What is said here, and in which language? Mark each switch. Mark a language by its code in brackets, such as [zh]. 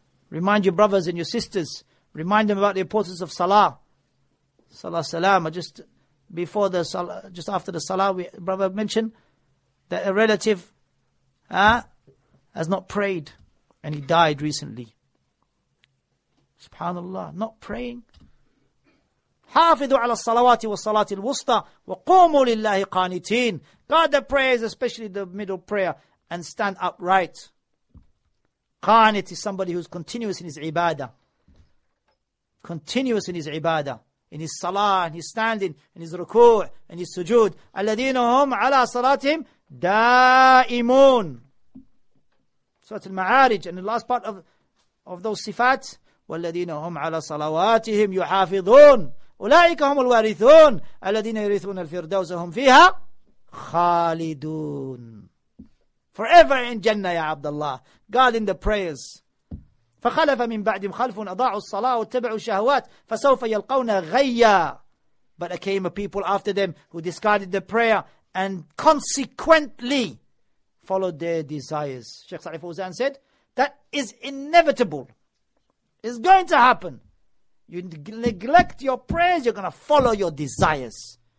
[en] Remind your brothers and your sisters. Remind them about the importance of salah. Salah salam. Just before the salah, just after the salah, we brother mentioned that a relative has not prayed and he died recently. Subhanallah. Not praying. [ar] حافظوا على الصلوات والصلاة الوسطى وقوموا لله قانتين. [en] Guard the prayers, especially the middle prayer, and stand upright. Qanit is somebody who's continuous in his ibadah. Continuous in his ibadah. In his salah, in his standing, in his ruku', in his sujood. [ar] الذين هم على صلاتهم دائمون. [en] Surah Al-Ma'arij. And the last part of those sifat. [ar] والذين هم على صلواتهم يحافظون. أولئك هم الوارثون الذين يرثون الفردوس هم فيها خالدون. [en] Forever in Jannah, ya Abdullah. God in the prayers. [ar] فخلف من بعدهم خلف أضاعوا الصلاة واتبعوا الشهوات فسوف يلقون غيا. [en] But there came a people after them who discarded the prayer and consequently followed their desires. Sheikh Sa'if Uzan said, that is inevitable. It's going to happen. You neglect your prayers, you're going to follow your desires.